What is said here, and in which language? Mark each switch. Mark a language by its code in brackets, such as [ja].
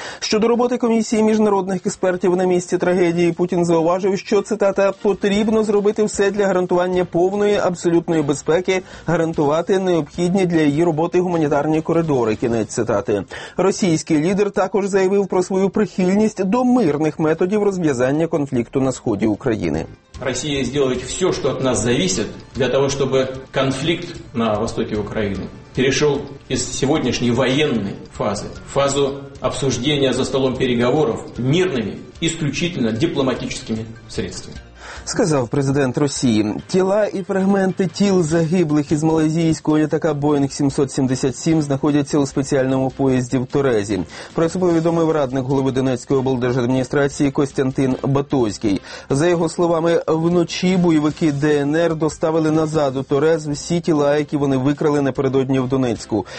[uk] Щодо роботи комісії міжнародних експертів на місці трагедії, Путін зауважив, що, цитата, потрібно зробити все для гарантування повної абсолютної безпеки, гарантувати необхідні для її роботи гуманітарні коридори, кінець цитати. Російський лідер також заявив про свою прихильність до мирних методів розв'язання конфлікту на сході України. Росія зробить все, що від нас залежить, для того, щоб конфлікт на востокі України [ru] перешел из сегодняшней военной фазы в фазу обсуждения за столом переговоров мирными, исключительно дипломатическими средствами. [uk] Сказав президент Росії, тіла і фрагменти тіл загиблих із малайзійського літака «Боїнг-777» знаходяться у спеціальному поїзді в Торезі. Про це повідомив радник голови Донецької облдержадміністрації Костянтин Батузький. За його словами, вночі бойовики ДНР доставили назад у Торез всі тіла, які вони викрали напередодні в Донецьку.